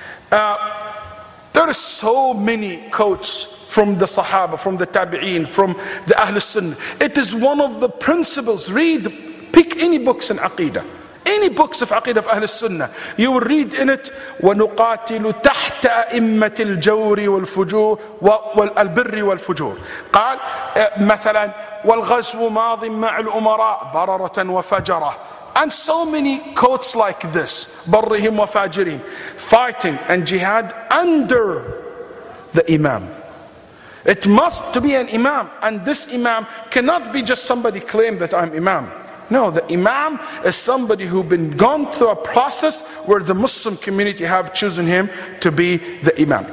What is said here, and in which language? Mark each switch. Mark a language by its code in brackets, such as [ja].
[en] There are so many quotes from the Sahaba, from the Tabi'een, from the Ahl Sunnah. It is one of the principles. Read, pick any books in Aqeedah. Any books of Aqeedah of Ahl Sunnah. You will read in it, [ar] وَنُقَاتِلُ تَحْتَ أَئِمَّةِ الْجَوْرِ وَالْفُجُورِ وَالْبِرِّ وَالْفُجُورِ. قال مثلاً, والغزو ماض مع الأمراء بررة وفجرة. [en] And so many quotes like this, [ar] برهم وفاجرين. [en] Fighting and jihad under the imam. It must to be an imam. And this imam cannot be just somebody claim that I'm imam. No, the imam is somebody who been gone through a process where the Muslim community have chosen him to be the imam.